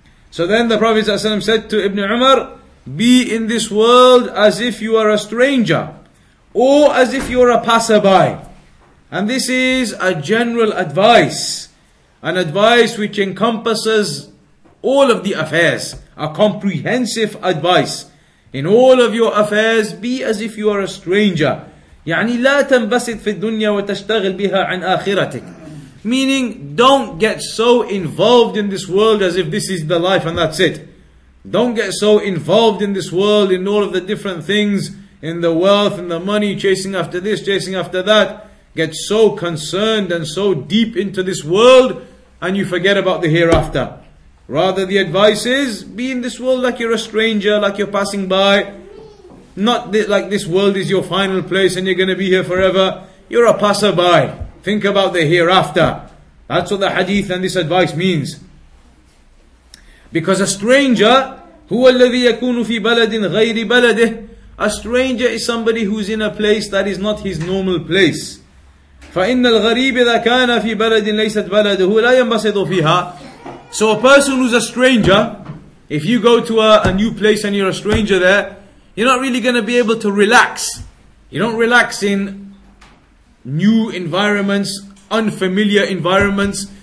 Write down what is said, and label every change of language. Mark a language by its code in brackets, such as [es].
[en] So then the Prophet ﷺ said to Ibn Umar, be in this world as if you are a stranger, or as if you are a passerby. And this is a general advice, an advice which encompasses all of the affairs, a comprehensive advice. In all of your affairs, be as if you are a stranger. [ar] يعني لا تنبسط في الدنيا وتشتغل بها عن آخرتك. [en] Meaning, don't get so involved in this world as if this is the life and that's it. Don't get so involved in this world, in all of the different things, in the wealth, in the money, chasing after this, chasing after that. Get so concerned and so deep into this world, and you forget about the hereafter. Rather, the advice is, be in this world like you're a stranger, like you're passing by. Not like this world is your final place and you're going to be here forever. You're a passerby. Think about the hereafter. That's what the hadith and this advice means. Because a stranger, [ar] هو الذي يكون في بلد غير بلده. [en] A stranger is somebody who's in a place that is not his normal place. [ar] فَإِنَّ الْغَرِيبِ إِذَا كَانَ فِي بَلَدٍ لَيْسَتْ بَلَدُهُ لَا يَنْبَسِطُ فِيهَا. [en] So a person who's a stranger, if you go to a new place and you're a stranger there, you're not really going to be able to relax. You don't relax in new environments, unfamiliar environments.